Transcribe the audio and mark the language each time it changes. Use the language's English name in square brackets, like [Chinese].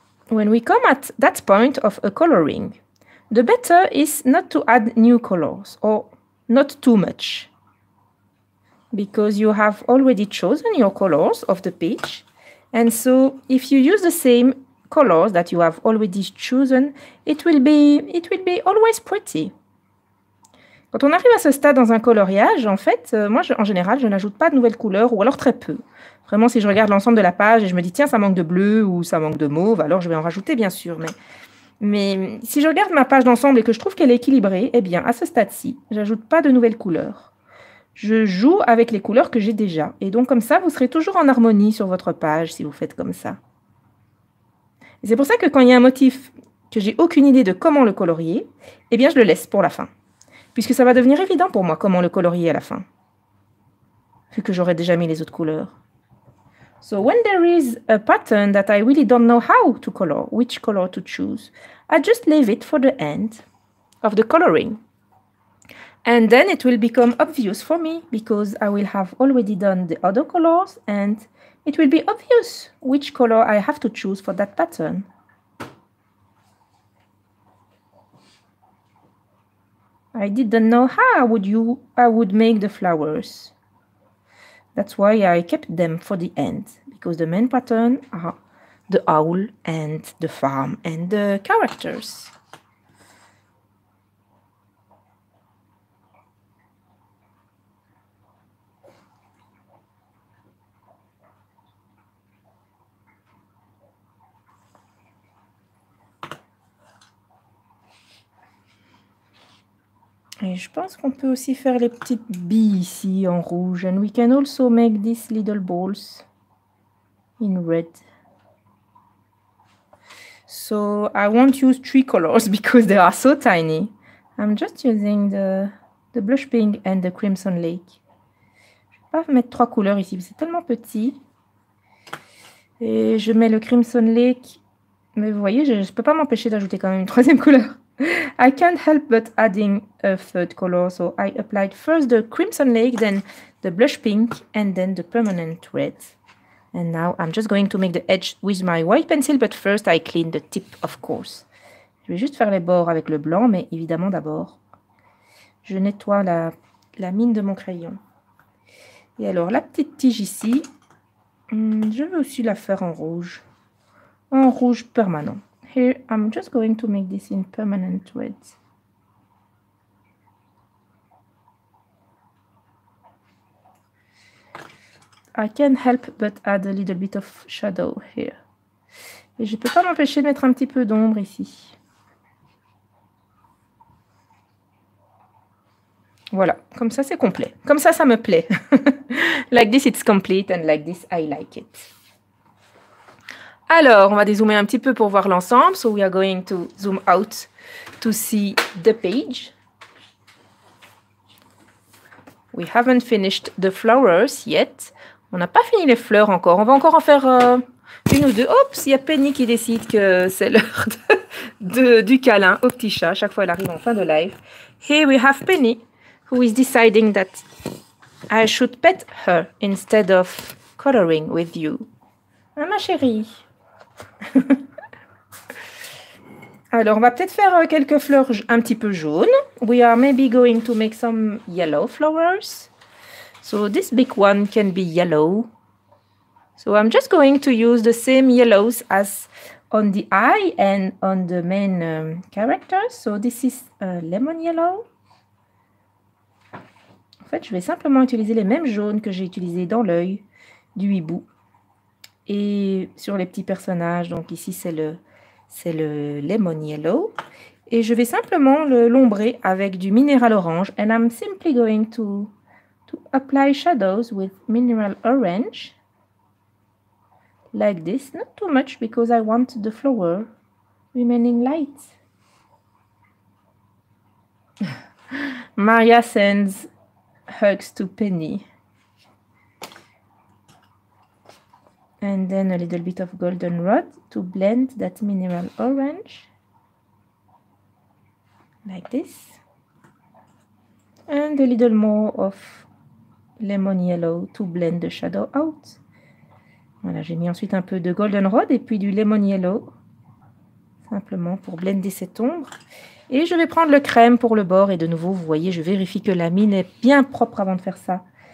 [English] When we come at that point of a coloring, the better is not to add new colors or not too much. Because you have already chosen your colors of the page. And so if you use the same colors that you have already chosen, it will be always pretty. [French] Quand on arrive à ce stade dans un coloriage, en fait, moi, en général, je n'ajoute pas de nouvelles couleurs ou alors très peu. Vraiment, si je regarde l'ensemble de la page et je me dis, tiens, ça manque de bleu ou ça manque de mauve, alors je vais en rajouter, bien sûr. Mais si je regarde ma page d'ensemble et que je trouve qu'elle est équilibrée, eh bien, à ce stade-ci, j'ajoute pas de nouvelles couleurs. Je joue avec les couleurs que j'ai déjà. Et donc, comme ça, vous serez toujours en harmonie sur votre page si vous faites comme ça. C'est pour ça que quand il y a un motif que j'ai aucune idée de comment le colorier, eh bien je le laisse pour la fin. Puisque ça va devenir évident pour moi comment le colorier à la fin. Vu que j'aurais déjà mis les autres couleurs. [English] So when there is a pattern that I really don't know how to color, which color to choose, I just leave it for the end of the coloring. And then it will become obvious for me because I will have already done the other colors and it will be obvious which color I have to choose for that pattern. I didn't know how I would make the flowers. That's why I kept them for the end, because the main pattern are the owl and the farm and the characters. [French] Et je pense qu'on peut aussi faire les petites billes ici en rouge. [English] And we can also make these little balls in red. So I won't use three colors because they are so tiny. I'm just using the blush pink and the crimson lake. [French] Je vais pas mettre trois couleurs ici, c'est tellement petit. Et je mets le crimson lake. Mais vous voyez, je peux pas m'empêcher d'ajouter quand même une troisième couleur. [English] I can't help but adding a third color, so I applied first the crimson lake, then the blush pink, and then the permanent red. And now I'm just going to make the edge with my white pencil, but first I clean the tip, of course. [French] Je vais juste faire les bords avec le blanc, mais évidemment d'abord, je nettoie la mine de mon crayon. Et alors la petite tige ici, je vais aussi la faire en rouge permanent. [English] Here, I'm just going to make this in permanent red. I can't help but add a little bit of shadow here. [French] Et je ne peux pas m'empêcher de mettre un petit peu d'ombre ici. Voilà, comme ça c'est complet. Comme ça, ça me plaît. [English] Like this, it's complete, and like this, I like it. [French] Alors, on va dézoomer un petit peu pour voir l'ensemble. [English] So we are going to zoom out to see the page. We haven't finished the flowers yet. [French] On n'a pas fini les fleurs encore. On va encore en faire une ou deux. Oups, il y a Penny qui décide que c'est l'heure du câlin au petit chat. Chaque fois, elle arrive en fin de live. [English] Here we have Penny, who is deciding that I should pet her instead of coloring with you. [French] Ah, ma chérie. Alors, on va peut-être faire quelques fleurs un petit peu jaunes. [English] We are maybe going to make some yellow flowers. So this big one can be yellow. So I'm just going to use the same yellows as on the eye and on the main characters. So this is lemon yellow. [French] En fait, je vais simplement utiliser les mêmes jaunes que j'ai utilisés dans l'œil du hibou. Et sur les petits personnages, donc ici c'est le lemon yellow. Et je vais simplement l'ombrer avec du minéral orange. [English] And I'm simply going to apply shadows with mineral orange. Like this, not too much because I want the flower remaining light. Maria sends hugs to Penny. And then a little bit of goldenrod to blend that mineral orange. Like this. And a little more of lemon yellow to blend the shadow out. [French] Voilà, j'ai mis ensuite un peu de goldenrod et puis du lemon yellow. Simplement pour blender cette ombre. Et je vais prendre le crème pour le bord. Et de nouveau, vous voyez, je vérifie que la mine est bien propre avant de faire ça.